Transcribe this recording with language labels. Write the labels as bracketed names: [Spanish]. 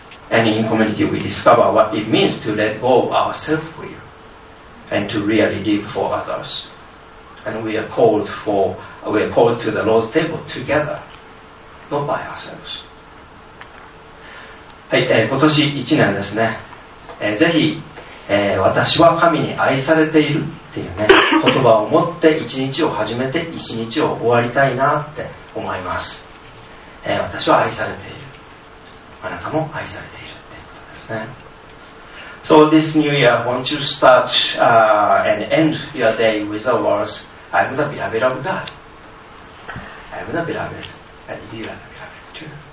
[English] And in community, we discover what it means to let go of our self-will and to really live for others. And we are called to the Lord's table together, not by ourselves. [Japanese] はい、今年1年ですね。ぜひ、私は神に愛されているっていうね、言葉を持って一日を始めて一日を終わりたいなって思います。私は愛されている。あなたも愛されている。 [English] So this new year, won't you start and end your day with the words, I'm the beloved of God. I'm the beloved, and you are the beloved too.